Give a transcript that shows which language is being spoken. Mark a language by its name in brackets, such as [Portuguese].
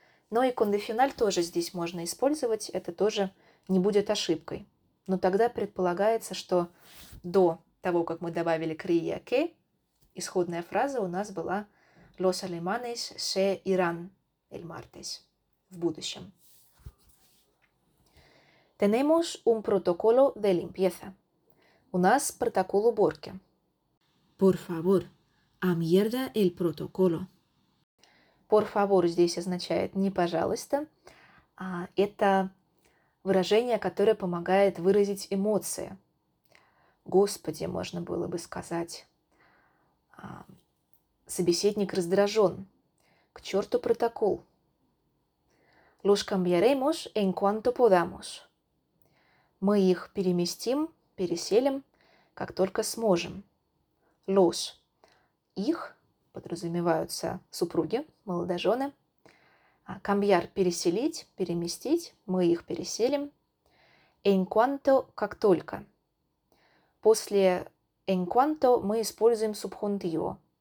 [Russian] Но и «condicional» тоже здесь можно использовать, это тоже не будет ошибкой. Но тогда предполагается, что до того, как мы добавили [Spanish] «creía que», [Russian] исходная фраза у нас была [Spanish] «Los alemanes se irán el martes» [Russian] в будущем. [Spanish] «Tenemos un protocolo de limpieza». [Russian] У нас протокол уборки. [Spanish] «Por favor, a mierda el protocolo». «Por favor» [Russian] здесь означает «не пожалуйста». А это выражение, которое помогает выразить эмоции. «Господи», можно было бы сказать. Собеседник раздражен. К черту протокол. [Spanish] Los cambiaremos en cuanto podamos. [Russian] Мы их переместим, переселим, как только сможем. [Spanish] Los. [Russian] Их подразумеваются супруги, молодожены. Cambiar – переселить, переместить. Мы их переселим. En cuanto – как только. После [Spanish] «en cuanto» [Russian] мы используем субхунтиво.